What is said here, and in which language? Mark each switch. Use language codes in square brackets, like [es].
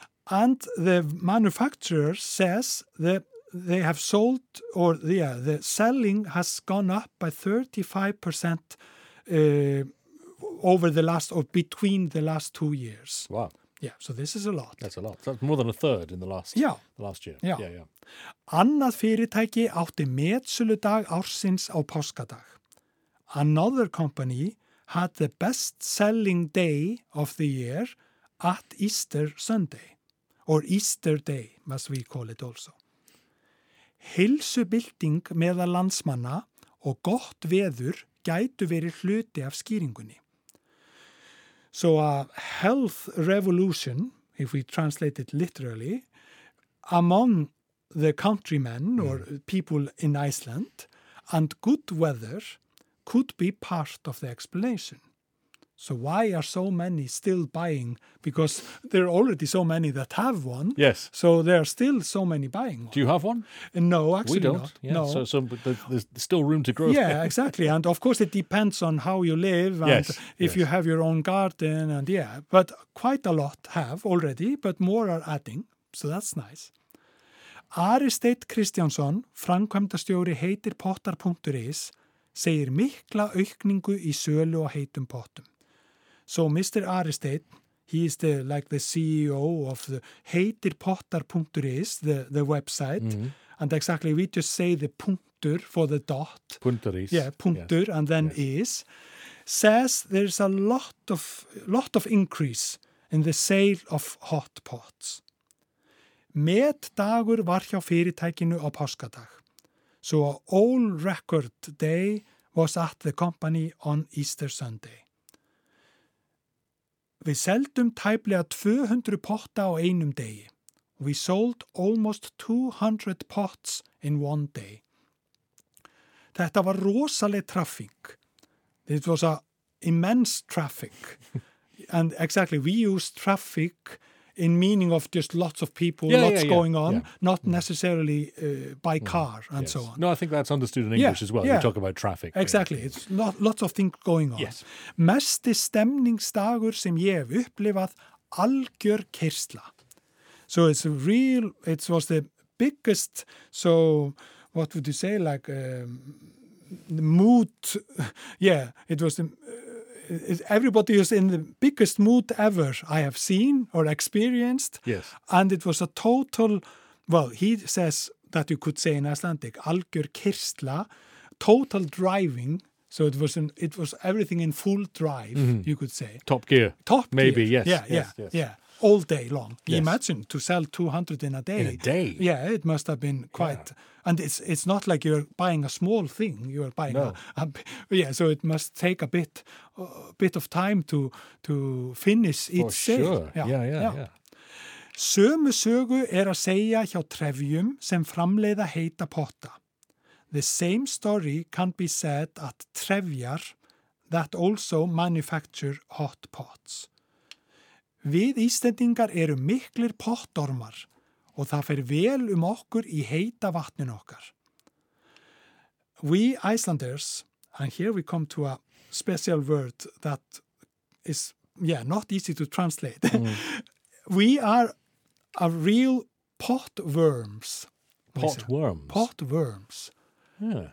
[en] And the manufacturer says that they have sold, or the selling has gone up by 35% between the last 2 years. Wow. Yeah, so this is a lot. That's a lot. That's more than a third in the last year. Yeah. [is] Annað fyrirtæki átti metsöludag ársins á páskadag. [en] Another company had the best selling day of the year at Easter Sunday, or Easter Day, as we call it also. [is] Heilsubylting meðal landsmanna og gott veður gætu verið hluti af skýringunni. [en] So a health revolution, if we translate it literally, among the countrymen or people in Iceland and good weather could be part of the explanation. So why are so many still buying? Because there are already so many that have one. Yes. So there are still so many buying one. Do you have one? No, actually not. We don't. Yeah. No. So there's still room to grow. Yeah, exactly. And of course it depends on how you live and if you have your own garden and But quite a lot have already, but more are adding. So that's nice. [is] Ari Steinn Kristjánsson, framkvæmdastjóri heitir pottar.is, segir mikla aukningu í sölu á heitum pottum. [en] So Mr. Ari Steinn, he is the like the CEO of the heitir pottar.is, the website, and exactly we just say the punktur for the dot. Punturis. Yeah, punktur and then is. Says there's a lot of increase in the sale of hot pots. [is] Met dagur var hjá fyrirtækinu á páskadag. [en] So a all record day was at the company on Easter Sunday. [is] Við seldum tæplega 200 potta á einum degi. [en] We sold almost 200 pots in one day. [is] Þetta var rosaleg traffic. [en] This was a immense traffic. And exactly, we used traffic in meaning of just lots of people, going on, not necessarily by car and so on. No, I think that's understood in English as well. Yeah. You talk about traffic. Exactly. Yeah. It's not lots of things going on. Yes. [is] Mesti stemningsdagur sem ég hef upplifað algjör kyrsla. [en] So it's a real, it was the biggest, so what would you say, like the mood, yeah, it was the... Everybody is in the biggest mood ever I have seen or experienced. Yes. And it was a total, well, he says that you could say in Icelandic, [is] algjör kyrsla, [en] total driving. So it was everything in full drive, you could say. Top gear. Top gear. Maybe, yes. All day long. Yes. Imagine to sell 200 in a day. In a day? Yeah, it must have been quite... Yeah. And it's not like you're buying a small thing. You're buying so it must take a bit of time to finish each sale. For sure. Yeah. [is] Sömu sögu að segja hjá trefjum sem framleiða heita potta. [en] The same story can be said at trefjar that also manufacture hot pots. [is] Við Íslendingar eru miklir pottormar og það fer vel okkur í heita vatninu okkar. [en] We Icelanders, and here we come to a special word that is, not easy to translate. We are a real potworms. Potworms? Potworms. Yeah.